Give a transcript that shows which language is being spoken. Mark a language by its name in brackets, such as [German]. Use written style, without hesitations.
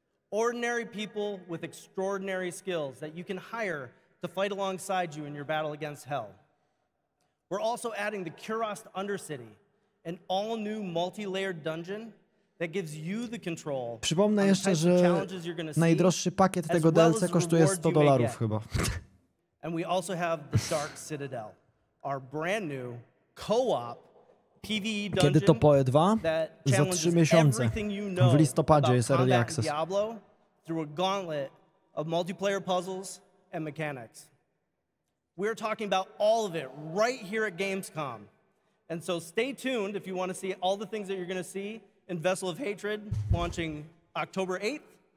[English] Ordinary people with extraordinary skills that you can hire to fight alongside you in your battle against hell. We're also adding the Kurost Undercity, an all-new multi-layered dungeon that gives you the control. [Polish] Przypomnę jeszcze, że najdroższy pakiet tego DLC kosztuje $100 chyba. [English] And we also have the Dark Citadel. Our brand new co-op PvE dungeon. [Polish] Kiedy to Poe 2? Za 3 miesiące. W listopadzie jest Early Access. [English] Diablo through a gauntlet of multiplayer puzzles and mechanics. We're talking about all of it right here at Gamescom. And so stay tuned if you want to see all the things that you're going to see in Vessel of Hatred launching October 8th.